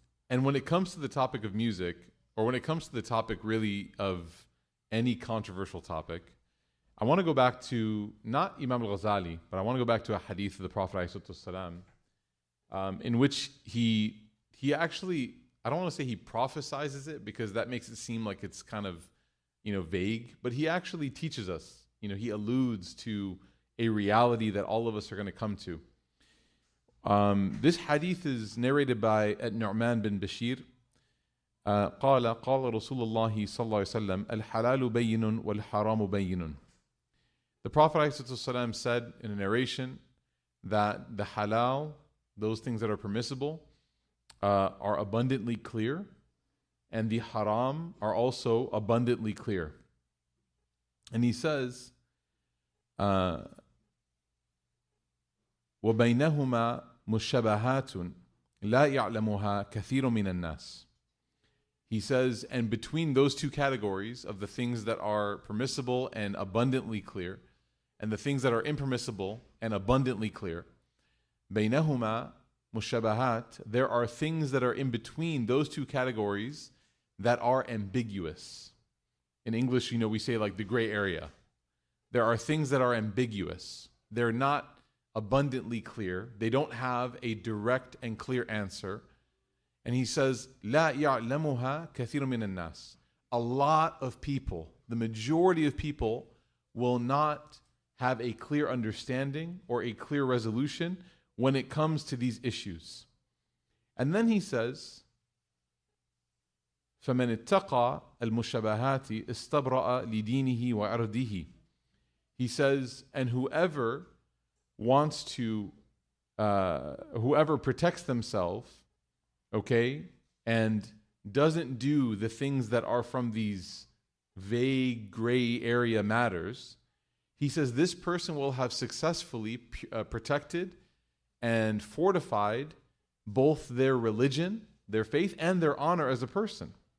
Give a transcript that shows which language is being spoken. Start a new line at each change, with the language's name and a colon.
English: And when it comes to the topic of music, or when it comes to the topic really of any controversial topic, I want to go back to, not Imam al-Ghazali, but I want to go back to a hadith of the Prophet ﷺ, in which he actually, I don't want to say he prophesizes it, because that makes it seem like it's kind of, you know, vague, but he actually teaches us, you know, he alludes to a reality that all of us are going to come to. This hadith is narrated by Nu'man bin Bashir.
Arabic: قال رسول الله صلى الله عليه وسلم الحلال بين والحرام بين.
English: The Prophet ﷺ said in a narration that the halal, those things that are permissible, are abundantly clear, and the haram are also abundantly clear. And he says,
Arabic: وَبَيْنَهُمَا مُشَّبَهَاتٌ لَا يَعْلَمُهَا كَثِيرٌ مِنَ النَّاسِ.
English: He says, and between those two categories of the things that are permissible and abundantly clear, and the things that are impermissible and abundantly clear,
Arabic: بَيْنَهُمَا مُشَّبَهَات,
English: there are things that are in between those two categories that are ambiguous. In English, you know, we say like the gray area. There are things that are ambiguous. They're not abundantly clear. They don't have a direct and clear answer. And he says,
Arabic: لَا يَعْلَمُهَا كَثِيرٌ مِنَ النَّاسِ.
English: A lot of people, the majority of people, will not have a clear understanding or a clear resolution when it comes to these issues. And then he says,
Arabic: فَمَنْ اتَّقَى الْمُشَبَهَاتِ اسْتَبْرَأَ لِدِينِهِ وَأَرْضِهِ.
English: He says, and whoever wants to, whoever protects themselves, okay, and doesn't do the things that are from these vague gray area matters, he says this person will have successfully protected and fortified both their religion, their faith, and their honor as a person.